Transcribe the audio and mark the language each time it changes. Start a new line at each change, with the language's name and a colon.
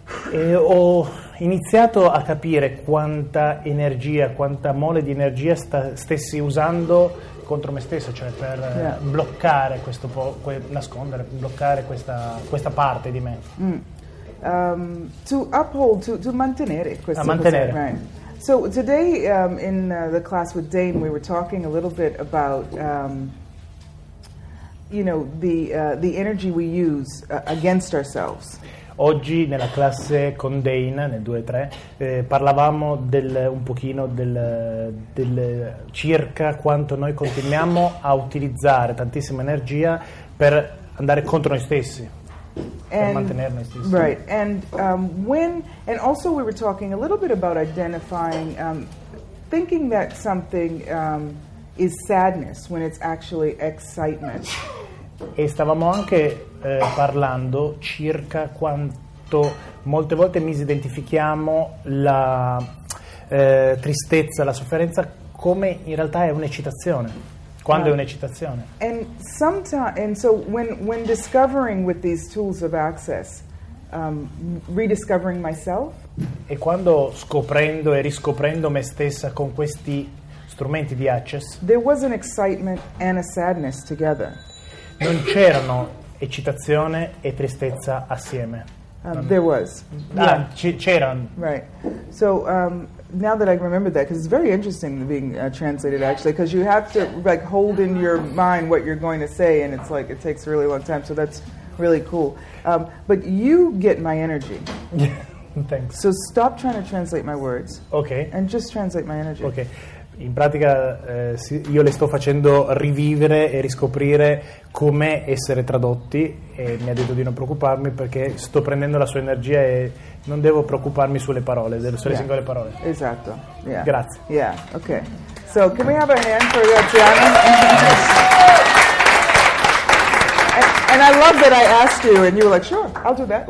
Italian: E ho iniziato a capire quanta energia, quanta mole di energia stessi usando contro me stesso, cioè per bloccare questo nascondere, bloccare questa parte di me.
English: To uphold, to
Italian: mantenere questo. A mantenere.
English: So today in the class with Dane we were talking a little bit about you know the energy we use against ourselves.
Italian: Oggi nella classe con Dane nel 2-3 parlavamo un pochino del circa quanto noi continuiamo a utilizzare tantissima energia per andare contro noi stessi.
English: And,
Italian: per
English: right, and when, and also we were talking a little bit about identifying, thinking that something is sadness when it's actually excitement.
Italian: E stavamo anche parlando circa quanto molte volte misidentifichiamo la tristezza, la sofferenza, come in realtà è un'eccitazione. Quando è un'eccitazione.
English: And sometimes, and so when discovering with these tools of access, rediscovering myself.
Italian: E quando scoprendo e riscoprendo me stessa con questi strumenti di access.
English: There was an excitement and a sadness together.
Italian: Non c'erano eccitazione e tristezza assieme.
English: There was.
Italian: Ah, yeah. C'erano.
English: Right. So. Now that I remember that, because it's very interesting being translated, actually, because you have to like hold in your mind what you're going to say, and it's like it takes a really long time. So that's really cool. But you get my energy. Thanks. So stop trying to translate my words. Okay. And just translate my energy. Okay.
Italian: In pratica, io le sto facendo rivivere e riscoprire com'è essere tradotti, e mi ha detto di non preoccuparmi perché sto prendendo la sua energia e non devo preoccuparmi sulle parole, sulle singole parole. Esatto. Yeah. Grazie.
English: Yeah. Okay. So, can we have a hand for Graziano? And I love that I asked you, and you were like, "Sure, I'll do that.